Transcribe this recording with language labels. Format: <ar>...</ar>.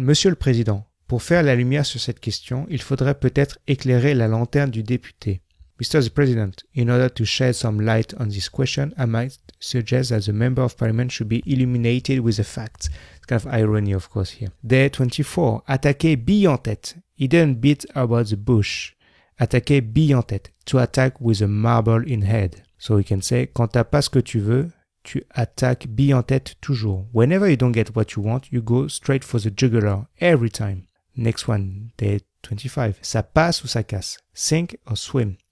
<fr>Monsieur le Président, pour faire la lumière sur cette question, il faudrait peut-être éclairer la lanterne du député.</fr> <en>Mr. the President, in order to shed some light on this question, I might suggest that the member of parliament should be illuminated with the facts. It's kind of irony, of course, here. Day 24.</en> <fr>Attaquer bille en tête.</fr> <en>He didn't beat about the bush.</en> <fr>Attaquer bille en tête.</fr> <en>To attack with a marble in head. So we can say,</en> <fr>quand t'as pas ce que tu veux, tu attaques bille en tête toujours.</fr> <en>Whenever you don't get what you want, you go straight for the jugular every time. Next one, day 25.</en> <fr>Ça passe ou ça casse?</fr> <en>Sink or swim?</en>